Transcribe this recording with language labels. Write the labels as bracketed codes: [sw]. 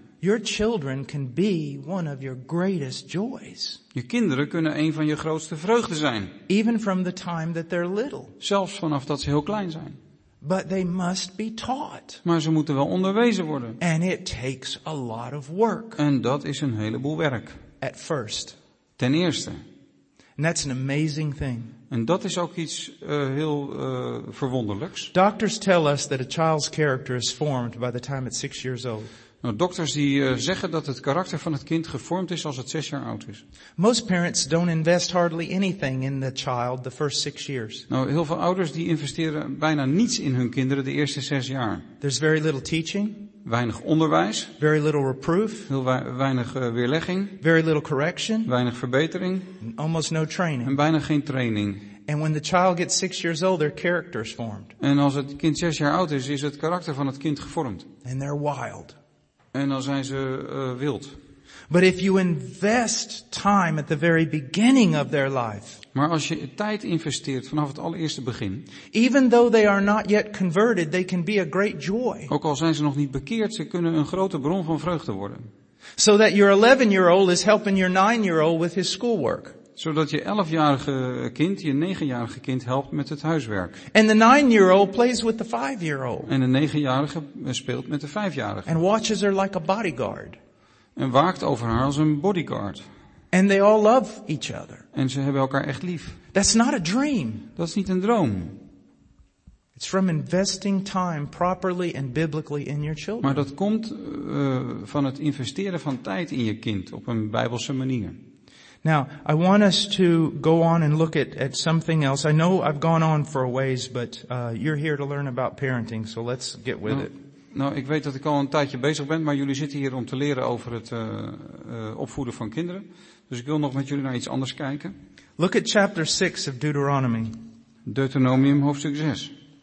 [en] Your children can be one of your greatest joys. [nl] Je kinderen kunnen een van je grootste vreugden zijn. [en] Even from the time that they're little. [nl] Zelfs vanaf dat ze heel klein zijn. [en] But they must be taught. [nl] Maar ze moeten wel onderwezen worden. [en] And it takes a lot of work. [nl] En dat is een heleboel werk. [en] At first. [nl] Ten eerste. [en] And that's an amazing thing. [nl] En dat is ook iets heel verwonderlijks. [en] Doctors tell us that a child's character is formed by the time it's 6 years old. [nl] Nou, dokters die zeggen dat het karakter van het kind gevormd is als het 6 jaar oud is. [en] Most parents don't invest hardly anything in the child the first 6 years. [nl] Nou, heel veel ouders die investeren bijna niets in hun kinderen de eerste 6 jaar. [en] There's very little teaching. [nl] Weinig onderwijs. [en] Very little reproof. [nl] Heel weinig weerlegging. [en] Very little correction. [nl] Weinig verbetering. [en] Almost no training. [nl] En bijna geen training. [en] And when the child gets 6 years old, their character is formed. [nl] En als het kind 6 jaar oud is, is het karakter van het kind gevormd. [en] And they're wild. [nl] En dan zijn ze wild. [en] But if you invest time at the very beginning of their life, [nl] maar als je tijd investeert vanaf het allereerste begin, [en] even though they are not yet converted, they can be a great joy. [nl] Ook al zijn ze nog niet bekeerd, ze kunnen een grote bron van vreugde worden. [en] So that your 11-year-old is helping your 9-year-old with his schoolwork. [nl] Zodat je 11-jarige kind je 9-jarige kind helpt met het huiswerk. [en] And the 9-year-old plays with the 5-year-old. [nl] En de 9-jarige speelt met de 5-jarige. [en] And watches her like a bodyguard. [nl] En waakt over haar als een bodyguard. [en] And they all love each other. [nl] En ze hebben elkaar echt lief. [en] That's not a dream. [nl] Dat is niet een droom. [en] It's from investing time properly and biblically in your children. [nl] Maar dat komt van het investeren van tijd in je kind op een Bijbelse manier. [en] Now, I want us to go on and look at something else. I know I've gone on for a ways, but you're here to learn about parenting, so let's get with it. [nl] Nou, ik weet dat ik al een tijdje bezig ben, maar jullie zitten hier om te leren over het opvoeden van kinderen. Dus ik wil nog met jullie naar iets anders kijken. [en] Look at chapter 6 of Deuteronomy. [nl] Deuteronomium hoofdstuk 6.